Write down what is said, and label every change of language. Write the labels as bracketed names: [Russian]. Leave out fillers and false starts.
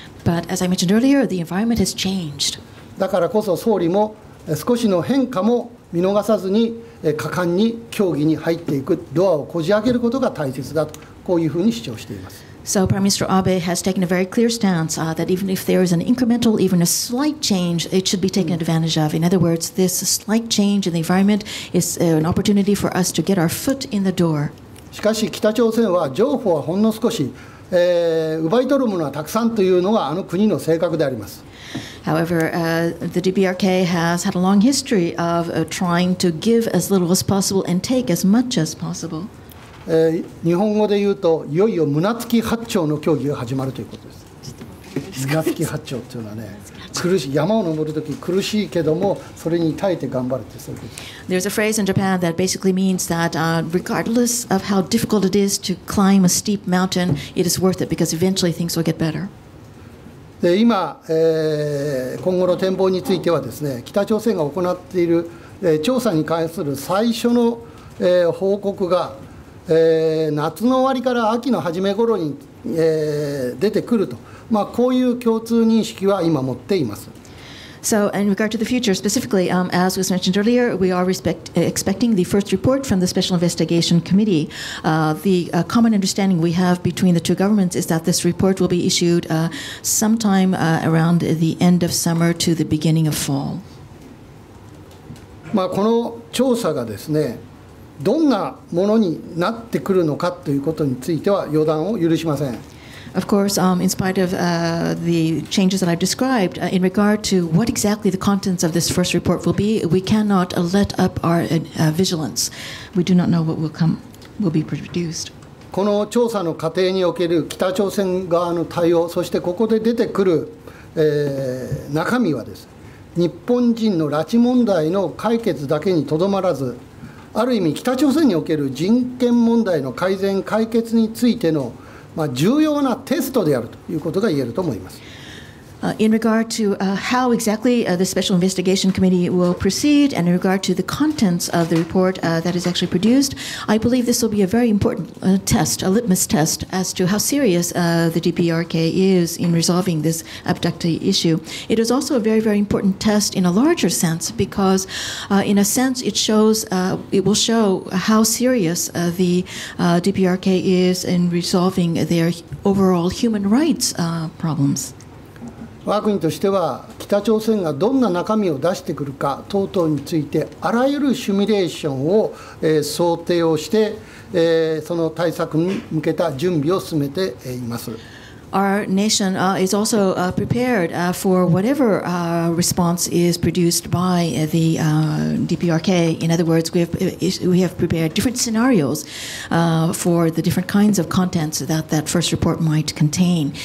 [English] But as I mentioned earlier, the environment has changed. [Japanese] だからこそ総理も少しの変化も見逃さずに果敢に協議に入っていく、ドアをこじ開けることが大切だと、こういうふうに主張しています。 [English] So Prime Minister Abe has taken a very clear stance that even if there is an incremental, even a slight change, it should be taken advantage of. In other words, this slight change in the environment is an opportunity for us to get our foot in the door. [Japanese] しかし北朝鮮は譲歩はほんの少し、奪い取るものはたくさんというのがあの国の性格であります。 [English] However, the DPRK has had a long history of trying to give as little as possible and take as much as possible. [Japanese] 日本語で言うと、いよいよ胸突き八丁の競技が始まるということです。胸突き八丁というのはね、苦しい、山を登るとき苦しいけども、それに耐えて頑張るという。 [English] There's a phrase in Japan that basically means that regardless of how difficult it is to climb a steep mountain, it is worth it because eventually things will get better. [Japanese] で今、今後の展望についてはですね、北朝鮮が行っている、調査に関する最初の、報告が、夏の終わりから秋の初め頃に、出てくると、まあ、こういう共通認識は今持っています。 [English] So, in regard to the future specifically, as was mentioned earlier, we are expecting the first report from the Special Investigation Committee. The common understanding we have between the two governments is that this report will be issued sometime around the end of summer to the beginning of fall. [Japanese] まあこの調査がですね、どんなものになってくるのかということについては予断を許しません。 [English] Of course, in spite of the changes that I've described, in regard to what exactly the contents of this first report will be, we cannot let up our vigilance. We do not know what will be produced. [Japanese] この調査の過程における北朝鮮側の対応、そしてここで出てくる、中身はです。日本人の拉致問題の解決だけにとどまらず、ある意味北朝鮮における人権問題の改善解決についての、まあ、重要なテストであるということが言えると思います。 [English] In regard to how exactly the Special Investigation Committee will proceed and in regard to the contents of the report that is actually produced, I believe this will be a very important test, a litmus test as to how serious the DPRK is in resolving this abductee issue. It is also a very, very important test in a larger sense because in a sense it shows, it will show how serious the DPRK is in resolving their overall human rights problems. [Japanese] 我が国としては北朝鮮がどんな中身を出してくるか等々についてあらゆるシミュレーションを想定をしてその対策に向けた準備を進めています。 [English] Our nation is also prepared for whatever response is produced by the DPRK. In other words, we have prepared different scenarios for the different kinds of contents that first report might contain.